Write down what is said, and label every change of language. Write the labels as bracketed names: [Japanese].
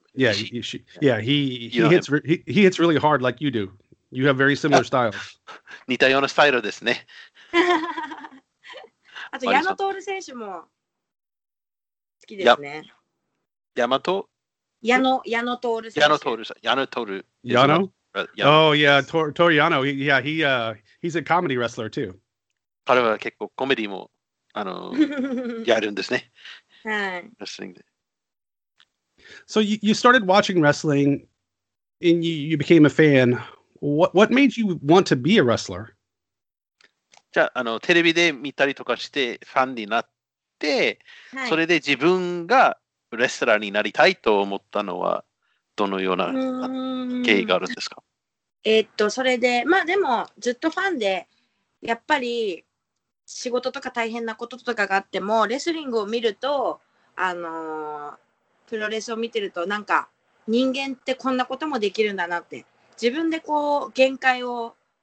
[English] Yeah, he hits really hard like you do. You have very similar styles. [Japanese] 似たようなスタイルですね。あと矢野徹選手も好きですね。矢野徹選手。 [English] Oh yeah, he's a comedy wrestler too. [Japanese] 彼は結構コメディもあのやるんですね。はい。 [English] So you started watching wrestling, and you became a fan. What made you want to be a wrestler? [Japanese] じゃあ、 あのテレビで見たりとかしてファンになって、はい、それで自分がレスラーになりたいと思ったのはどのような経緯があるんですか？それでまあでもずっとファンで、やっぱり仕事とか大変なこととかがあってもレスリングを見ると、あのプロレスを見てると、なんか人間ってこんなこともできるんだなって、自分でこう限界を